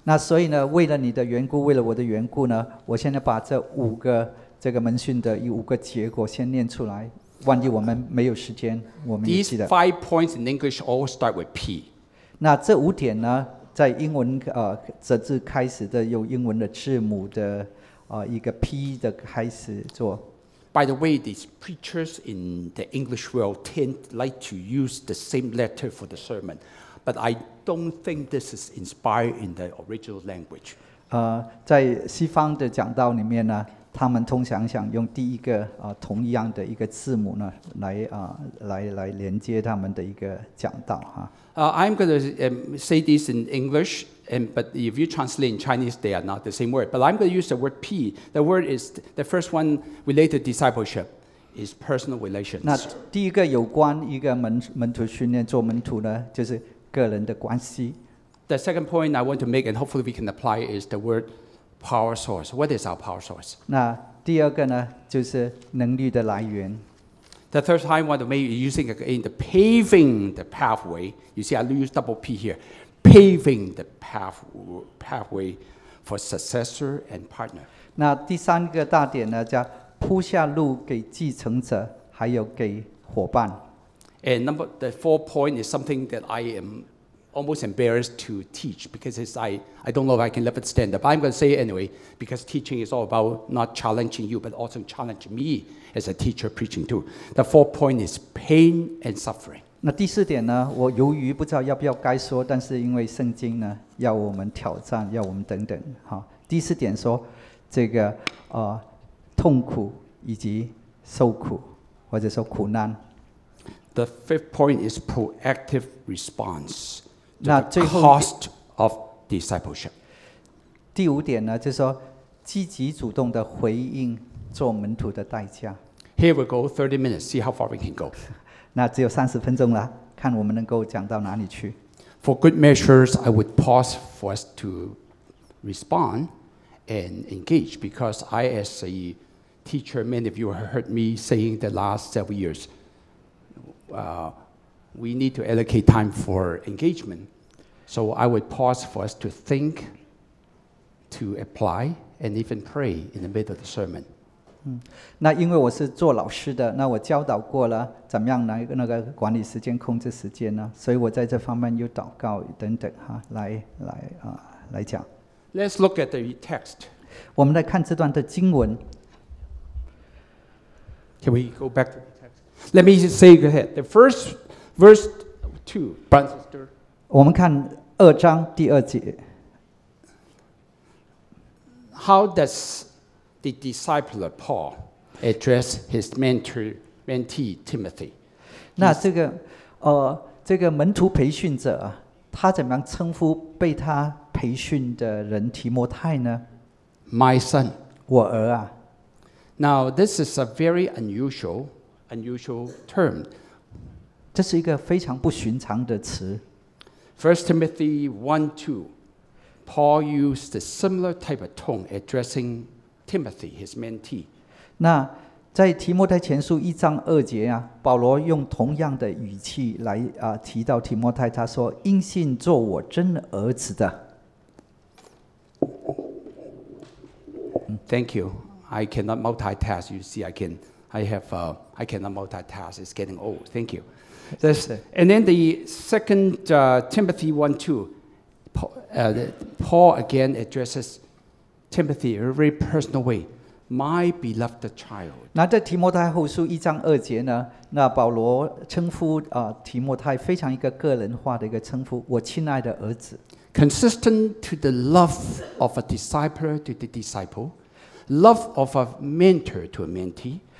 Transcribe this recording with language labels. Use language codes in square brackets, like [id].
[zh] 那所以呢，为了你的缘故，为了我的缘故呢，我现在把这五个这个门训的五个结果先念出来，万一我们没有时间，我们也记得。 [en] These five points in English all start with P. [zh] 那这五点呢，在英文这字开始的有英文的字母的一个 P 的开始做。 [en] By the way, these preachers in the English world tend like to use the same letter for the sermon, but I don't think this is inspired in the original language. [zh] 在西方的讲道里面呢，他们通常想用第一个同样的一个字母呢，来连接他们的一个讲道哈。 [en] I'm going to say this in English, but if you translate in Chinese, they are not the same word. But I'm going to use the word P. The word is the first one related to discipleship is personal relations. [zh] 那第一个有关一个门徒训练做门徒呢，就是个人的关系。 [en] The second point I want to make, and hopefully we can apply, is the word power source. What is our power source? [zh] 那第二个呢，就是能力的来源。 [en] The third time I want to make is using again the paving the pathway. You see, I use double P here. Paving the pathway for successor and partner. [zh] 那第三个大点呢，叫铺下路给继承者，还有给伙伴。 [en] And the fourth point is something that I am almost embarrassed to teach because I don't know if I can live it stand up. But I'm going to say it anyway because teaching is all about not challenging you, but also challenging me. As a teacher preaching too, the fourth point is pain and suffering. [zh] 那第四点呢？我犹豫不知道要不要该说，但是因为圣经呢，要我们挑战，要我们等等。好，第四点说这个痛苦以及受苦，或者说苦难。 [en] The fifth point is proactive response. 那 [zh] 最后 [en] cost of discipleship. [zh] 第五点呢，就是说积极主动的回应。做门徒的代价。 [en] Here we go, 30 minutes, see how far we can go. [zh] 那只有30分钟了，看我们能够讲到哪里去。 [en] For good measures, I would pause for us to respond and engage, because I, as a teacher, many of you have heard me saying the last several years, we need to allocate time for engagement. So I would pause for us to think, to apply, and even pray in the middle of the sermon. [zh] 那因为我是做老师的，那我教导过了怎么样来那个管理时间、控制时间呢？所以我在这方面有祷告等等哈，来讲。 [en] Let's look at the text. [zh] 我们来看这段的经文。 [en] Can we go back to the text? Let me just say ahead. The first verse two, brothers and sisters. [zh] 我们看二章第二节。 [en] How does the disciple Paul address his mentee Timothy? [zh] 那这个这个门徒培训者，他怎么样称呼被他培训的人提摩太呢？ [en] My son, [zh] 我儿啊。 [en] Now this is a very unusual term. [zh] 这是一个非常不寻常的词。 [en] First Timothy 1:2, Paul used a similar type of tone addressing Timothy, his mentee. [zh] 那在提摩太前书一章二节啊，保罗用同样的语气来啊提到提摩太，他说：“因信做我真儿子的。” [en] Thank you. I cannot multitask. You see, I cannot multitask. It's getting old. Thank you. This, and then the second Timothy 1:2, Paul again addresses Timothy in a very personal way. My beloved child. [zh] 那在提摩太后书一章二节呢？那保罗称呼提摩太非常一个个人化的一个称呼，我亲爱的儿子。 [en] Consistent to the love of a disciple to the disciple, love of a mentor to a mentee.